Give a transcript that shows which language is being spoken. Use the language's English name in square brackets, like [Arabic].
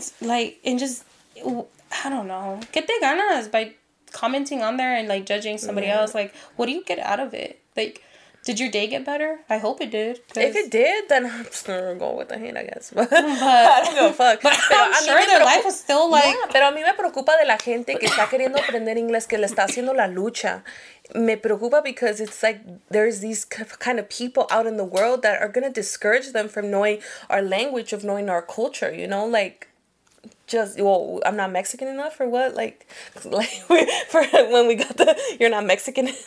[English] It's like, and just, I don't know. [Spanish] Que te ganas [English] by commenting on there and, like, judging somebody else? Like, what do you get out of it? Like, did your day get better? I hope it did. Cause... if it did, then I'm just gonna go with the hate, I guess. But I don't give a fuck. But I'm sure their life is still like... Yeah, [Spanish] pero a mí me preocupa de la gente que está queriendo aprender inglés, que le está haciendo la lucha. Me preocupa [English] because it's like there's these kind of people out in the world that are gonna discourage them from knowing our language, of knowing our culture, you know? Like, just, well, I'm not Mexican enough or what? Like for when we got the, you're not Mexican.